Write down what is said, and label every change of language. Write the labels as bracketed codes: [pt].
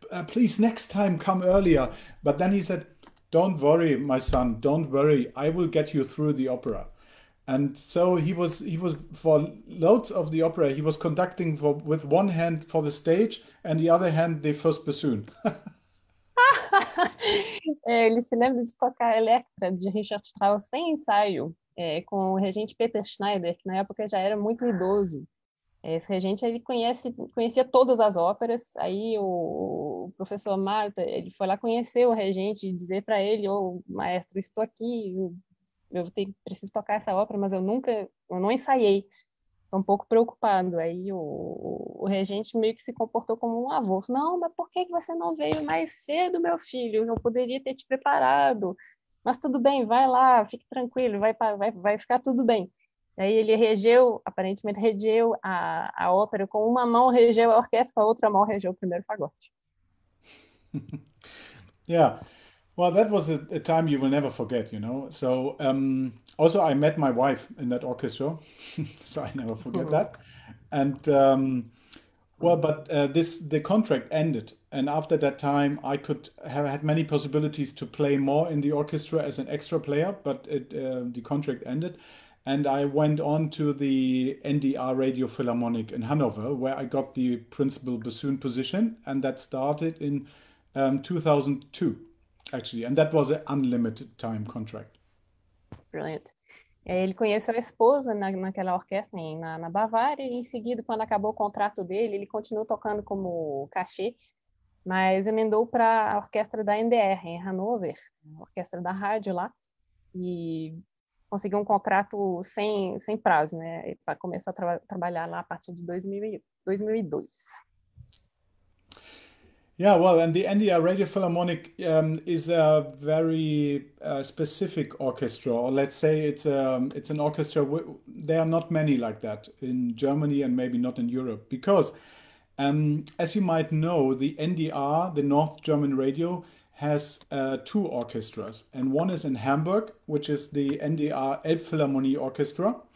[en] Please next time come earlier. But then he said, don't worry, my son, don't worry. I will get you through the opera. And so he was for loads of the opera, he was conducting with one hand for the stage and the other hand the first bassoon. [pt] Ele se lembra de tocar Elektra de Richard Strauss sem ensaio, com o regente Peter Schneider, que na época já era muito idoso. Esse regente, ele conhecia todas as óperas. Aí o professor Marta, ele foi lá conhecer o regente e dizer para ele, ô, maestro, estou aqui, preciso tocar essa ópera, mas eu não ensaiei. Estou um pouco preocupado. Aí o regente meio que se comportou como um avô. Não, mas por que você não veio mais cedo, meu filho? Eu poderia ter te preparado. Mas tudo bem, vai lá, fique tranquilo, vai ficar tudo bem. Aí ele regeu a ópera com uma mão, regeu a orquestra, com a outra mão regeu o primeiro fagote. [en] Yeah, well, that was a time you will never forget, you know. So, also I met my wife in that orchestra, so I never forget that. And Well, but the contract ended, and after that time, I could have had many possibilities to play more in the orchestra as an extra player, but the contract ended, and I went on to the NDR Radiophilharmonic in Hanover, where I got the principal bassoon position, and that started in 2002, actually, and that was an unlimited time contract. Brilliant. [pt] Ele conheceu a esposa naquela orquestra na Bavária e, em seguida, quando acabou o contrato dele, ele continuou tocando como cachê, mas emendou para a orquestra da NDR, em Hanover, orquestra da rádio lá, e conseguiu um contrato sem prazo, né? Ele começou a trabalhar lá a partir de 2002. [en] Yeah, well, and the NDR Radiophilharmonic is a very specific orchestra, or let's say it's an orchestra, there are not many like that in Germany and maybe not in Europe, because as you might know, the NDR, the North German Radio, has two orchestras, and one is in Hamburg, which is the NDR Elbphilharmonie Orchestra.